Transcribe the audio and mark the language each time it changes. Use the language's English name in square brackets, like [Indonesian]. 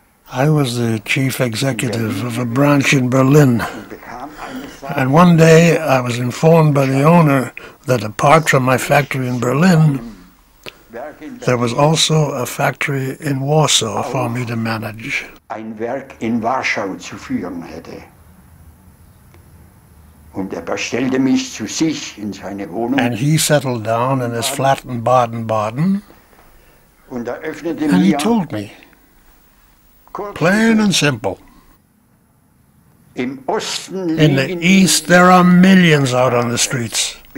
[English] I was the chief executive of a branch in Berlin. And one day I was informed by the owner that apart from my factory in Berlin, there was also a factory in Warsaw for me to manage. [German] Ein Werk in Warschau zu führen hätte. Und bestellte mich zu sich in seine Wohnung. [English] And he settled down in his flat in Baden-Baden. [German] Und öffnete [English] and he told me, plain and simple. In the east, there are millions out on the streets.